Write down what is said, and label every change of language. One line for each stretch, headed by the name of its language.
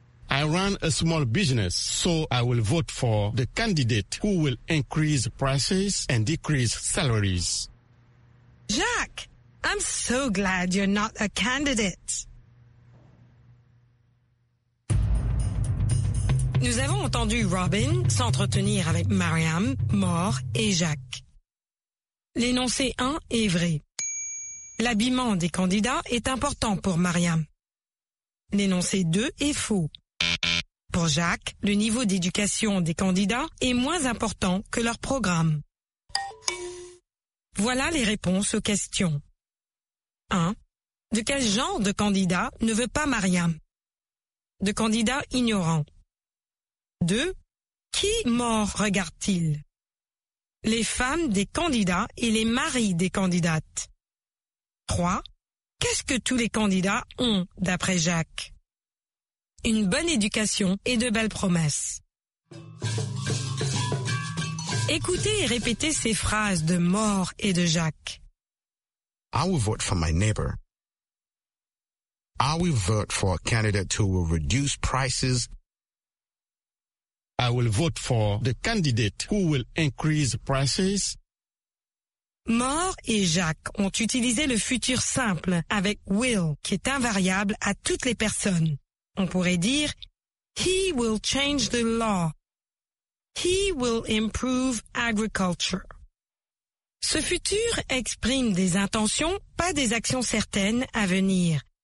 English: I run a small business, so I will vote for the candidate who will increase prices and decrease salaries. Jacques, I'm so glad you're not a candidate.
French: Nous avons entendu Robin s'entretenir avec Mariam, Moore et Jacques. L'énoncé 1 est vrai. L'habillement des candidats est important pour Mariam. L'énoncé 2 est faux. Pour Jacques, le niveau d'éducation des candidats est moins important que leur programme. Voilà les réponses aux questions. 1. De quel genre de candidat ne veut pas Mariam? De candidat ignorant. 2. Qui mort regarde-t-il? Les femmes des candidats et les maris des candidates. 3. Qu'est-ce que tous les candidats ont, d'après Jacques? Une bonne éducation et de belles promesses. Écoutez et répétez ces phrases de Moore et de Jacques.
English: I will vote for my neighbor. I will vote for a candidate who will reduce prices. I will vote for the candidate who will increase prices.
French: Moore et Jacques ont utilisé le futur simple avec will, qui est invariable à toutes les personnes. On pourrait dire,
English: he will change the law. He will improve agriculture.
French: Ce futur exprime des intentions, pas des actions certaines à venir.